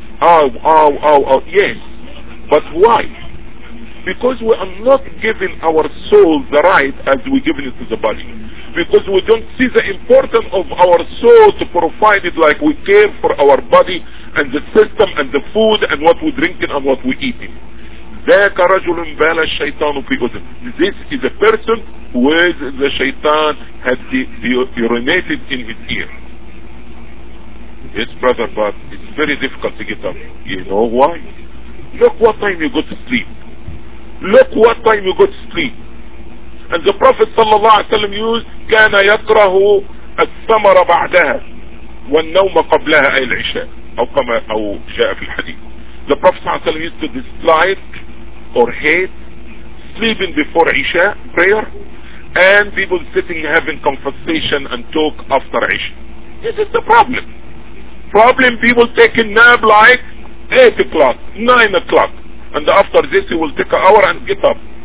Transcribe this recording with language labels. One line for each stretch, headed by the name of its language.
English: Ow. Yes. But why? Because we are not giving our soul the right as we're giving it to the body. Because we don't see the importance of our soul to provide it like we care for our body and the system and the food and what we're drinking and what we're eating.
Arabic: ذاك رجل بال الشيطان في أذنه.
English: This is a person where the shaitan has urinated in his ear. Yes, brother, but it's very difficult to get up. You know why? Look what time you go to sleep. Look what time you go to sleep. And the Prophet sallallahu alaihi wasallam used
Arabic: كان يكره الثمر بعدها والنوم قبلها أي العشاء. حطم او جاء في الحديث.
English: The Prophet صلى الله عليه وسلم used to dislike or hate sleeping before Isha prayer and people sitting having conversation and talk after Isha. This is the problem. Problem, people taking nap like 8 o'clock, 9 o'clock, and after this you will take an hour and get up.